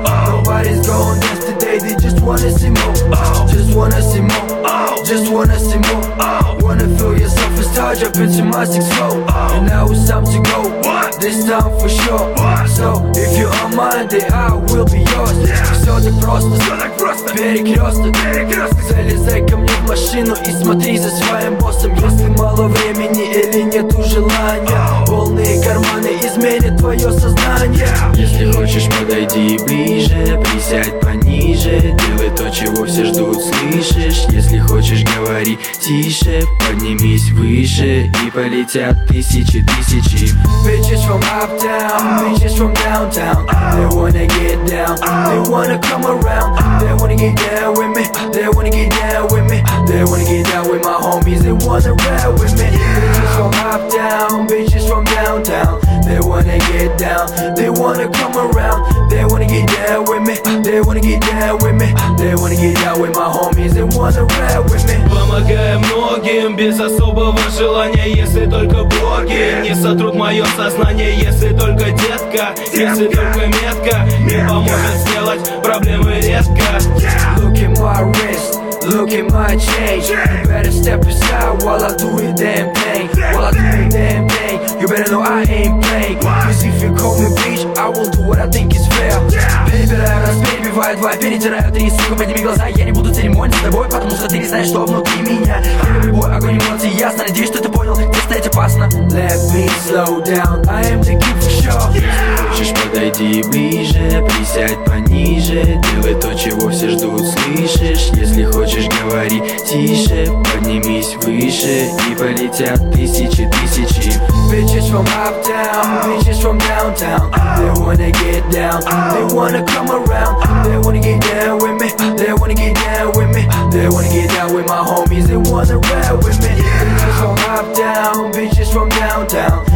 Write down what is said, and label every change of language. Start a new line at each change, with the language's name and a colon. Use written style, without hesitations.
English: Nobody's gone dance today. They just wanna see more. Just wanna see more. Just wanna see more. Wanna feel yourself a star, jump into my 6-4. And now it's time to go. This time for sure. So if you are mine, then I will be yours.
Russian: Все так просто, перекрёсток. Цели зэком, не в машину, и смотри за своим боссом. Если мало времени или нету желания, полные карманы изменят твое сознание. Если хочешь, подойди ближе, присядь пониже. Делай то, чего все ждут, слышишь? Если хочешь, говори тише. Поднимись выше, и полетят тысячи, тысячи.
English: Bitches from uptown, bitches from downtown. They wanna get down, they wanna come around. They wanna get down with me, they wanna get down with me. They wanna get down with my homies, they wanna ride with me. Bitches from uptown, bitches from downtown. They wanna get down, they wanna come around. They wanna get down with me, they wanna get down with me. They wanna get down with my homies, they wanna ride with me.
Russian: Помогаем многим без особого желания, если только боги не сотрут мое сознание. Если только детка, если только метка не поможет сделать проблемы резко.
English: Look at my wrist, look at my chain. You better step aside while I do it damn pain. While I do it damn pain, you better know I ain't playing. Cause if you call me bitch, I will do what I think is fair.
Russian: Перебиваю твои, перетираю три, сука, подними глаза. Я не буду церемониться с тобой, потому что ты не знаешь, что внутри меня. Я любой огонь эмоций, ясно, надеюсь, что ты понял, где стоять опасно.
English: Let me slow down, I am the king for sure.
Russian: Хочешь, подойди ближе, присядь пониже. Делай то, чего все ждут, слышишь? Если хочешь, говори тише. Поднимись выше, и полетят тысячи, тысячи.
English: Bitches from uptown, bitches from downtown. They wanna get down, they wanna come around. They wanna get down with me, they wanna get down with me. They wanna get down with my homies, they wanna ride with me. Bitches from uptown, bitches from downtown.